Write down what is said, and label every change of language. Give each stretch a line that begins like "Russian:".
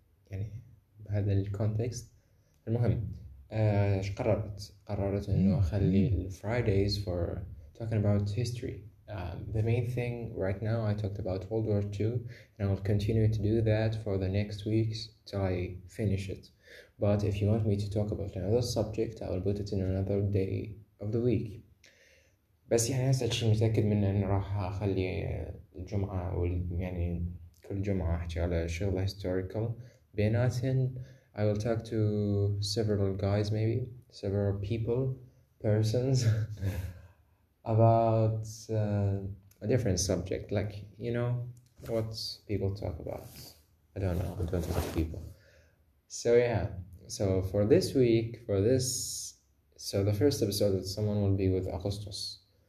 Arabic: يعني بهذا الكونتكست. المهم ايش قررت؟ قررت انه اخلي الفرايديز فور
English: talking about history. The main thing right now I talked about World War II and I will continue to do that for the next weeks till I finish it. But if you want me to talk about another subject, I will put it in another day of the week.
Arabic: بس يعني هسه شي متأكد منه إني راح أخلي الجمعة يعني كل جمعة أحكي على شغلة historical بيناتن.
English: I will talk to several guys maybe several people persons about a different subject like you know what people talk about. I don't know, I don't talk to people. So yeah, so for this week, for this, so the first episode that someone will be with Augustus.